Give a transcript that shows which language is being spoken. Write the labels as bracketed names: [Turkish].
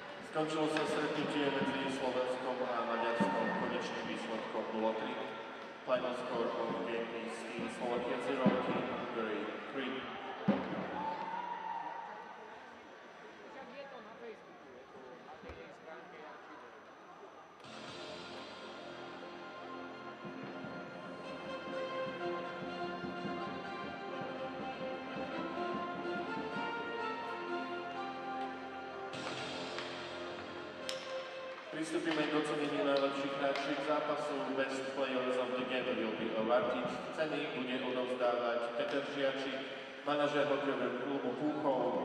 [Slovak] Skončilo sa stretnutie medzi Slovenskom a Maďarskom konečným výsledkom 0-3. [English] Final score of the game is in Slovakia 0, Hungary 3. [Slovak] Pristupíme k ocenení najlepších hráčov zápasu. [English] Best players of the game will be awarded. [Slovak] Ceny bude odovzdávať Peter Žiači, manažer hokejového klubu Púchov.